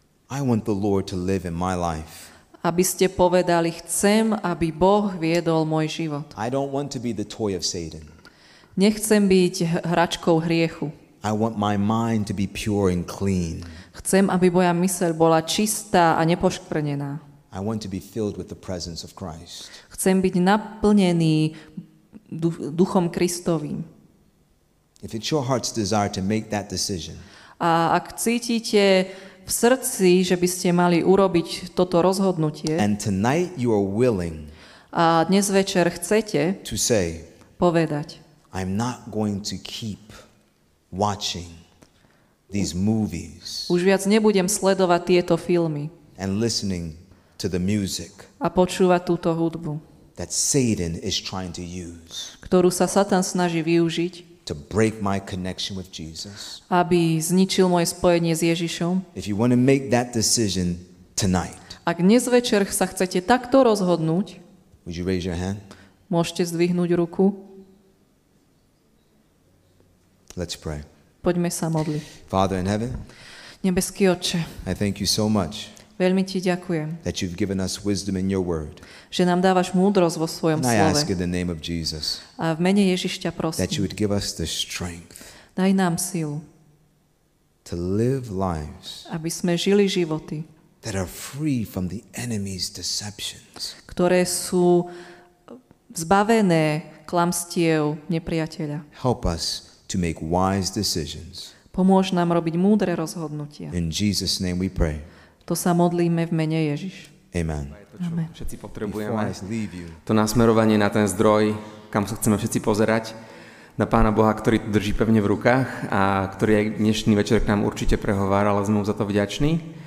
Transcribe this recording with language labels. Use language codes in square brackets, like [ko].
[en] I want the Lord to live in my life. [sk] Aby ste povedali, chcem, aby Boh viedol môj život. [en] I don't want to be the toy of Satan. [sk] Nechcem byť hračkou hriechu. [en] I want my mind to be pure and clean. [sk] Chcem, aby moja myseľ bola čistá a nepoškvrnená. [en] I want to be filled with the presence of Christ. [sk] Chcem byť naplnený duchom Kristovým. [en] If it's your heart's desire to make that decision, [sk] a ak cítite v srdci, že by ste mali urobiť toto rozhodnutie, [en] and tonight you are willing, [sk] a dnes večer chcete, [en] to say, [sk] povedať, [en] I'm not going to keep watching these movies, [sk] už viac nebudem sledovať tieto filmy, [en] and listening to the music, [sk] a počúvať túto hudbu, [en] that Satan is trying to use, [sk] ktorú sa Satan snaží využiť, [en] to break my connection with Jesus. [sk] Aby zničil moje spojenie s Ježišom. [en] If you want to make that decision tonight, [sk] ak dnes večer sa chcete takto rozhodnúť, [en] would you raise your hand? [sk] Môžete zdvihnúť ruku. [en] Let's pray. [sk] Poďme sa modliť. [en] Father in heaven, [sk] nebeský Otče, [en] I thank you so much, [sk] veľmi ti ďakujem, [en] that you've given us wisdom in your word, [sk] že nám dávaš múdrosť vo svojom [en] and I [sk] slove, [en] ask in the name of Jesus, [sk] a v mene Ježišťa prosím, [en] that you would give us the strength, [sk] daj nám silu, [en] to live lives, [sk] aby sme žili životy, [en] that are free from the enemy's deceptions, [sk] ktoré sú zbavené klamstiev nepriateľa. [en] Help us to make wise decisions. [sk] Pomôž nám robiť múdre rozhodnutia. [en] In Jesus' name we pray. [sk] To sa modlíme v mene Ježiš. [en] Amen. [sk] Amen. Všetci potrebujeme to nasmerovanie na ten zdroj, kam sa chceme všetci pozerať, na Pána Boha, ktorý to drží pevne v rukách a ktorý aj dnešný večer k nám určite prehovára, ale sme mu za to vďační.